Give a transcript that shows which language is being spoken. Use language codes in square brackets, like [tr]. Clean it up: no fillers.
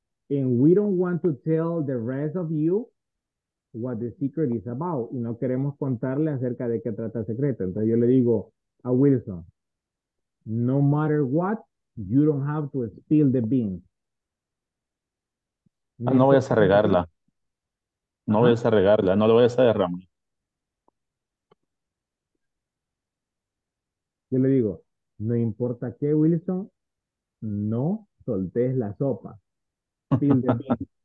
[en] And we don't want to tell the rest of you what the secret is about. [es] Y no queremos contarle acerca de qué trata el secreto. Entonces yo le digo a Wilson, [en] no matter what, you don't have to spill the beans. [es] Ah, no voy a regarla. No voy a regarla, no lo voy a derramar. Yo le digo, no importa qué, Wilson, no soltes la sopa. [en] Spill the beans.